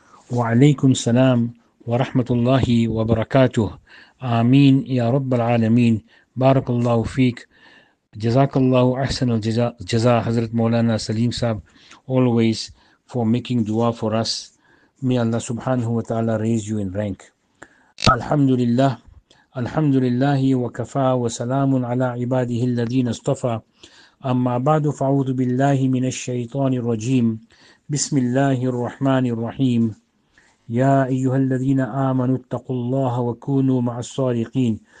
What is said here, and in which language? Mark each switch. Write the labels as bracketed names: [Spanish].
[Arabic] وعليكم السلام ورحمة الله وبركاته. آمين يا رب العالمين. بارك الله فيك، جزاك الله أحسن الجزاء. [English] حضرة مولانا Saleem Sahib, always for making dua for us. May Allah سبحانه وتعالى raise you in rank. [Arabic] الحمد لله، الحمد لله وكفى، وسلام على عباده الذين اصطفى. أما بعد، فأعوذ بالله من الشيطان الرجيم، بسم الله الرحمن الرحيم. يا أيها الذين آمنوا اتقوا الله وكونوا مع الصادقين.